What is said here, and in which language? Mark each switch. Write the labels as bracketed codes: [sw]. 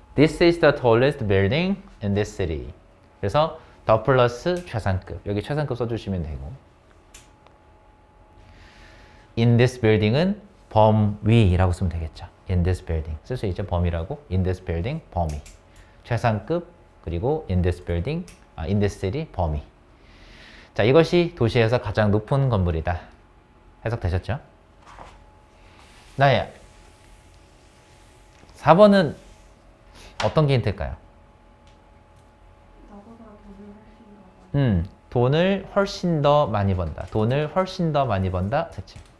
[en] This is the tallest building in this city. [ko] 그래서 더 플러스 최상급. 여기 최상급 써주시면 되고. [en] In this building [ko] 은 범위라고 쓰면 되겠죠. [en] In this building. [ko] 쓸수 있죠. 범위라고. [en] In this building, 범위. [ko] 최상급, 그리고 [en] in this building, in this city, 범위. [ko] 자, 이것이 도시에서 가장 높은 건물이다. 해석되셨죠? 나야. 4번은 어떤 게 힌트일까요? 나보다 더 유명하신 것 돈을 훨씬 더 많이 번다. 돈을 훨씬 더 많이 번다. 그치?